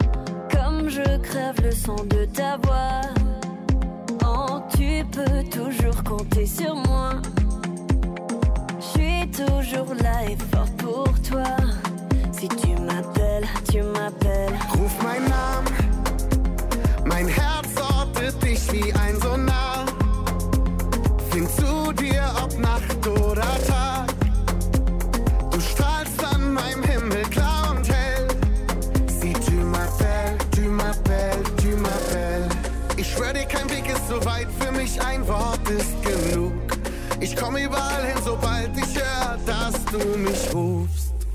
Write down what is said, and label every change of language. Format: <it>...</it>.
<fr>Tu m'appelles, comme je crève le son de ta voix. Oh, tu peux toujours compter sur moi. Je suis toujours là et fort pour toi. Si tu m'appelles, tu m'appelles.</fr> <de>Ruf mein Name. Mein Herz ortet dich wie ein Sonar. Find zu dir, ob Nacht oder Tag. Du strahlst an meinem Himmel klar und hell.</de> <fr>Si tu m'appelles, tu m'appelles, tu m'appelles.</fr> <de>Ich schwör dir, kein Weg ist so weit. Für mich ein Wort ist genug. Ich komm überall hin, sobald ich hör, dass du mich rufst.</de>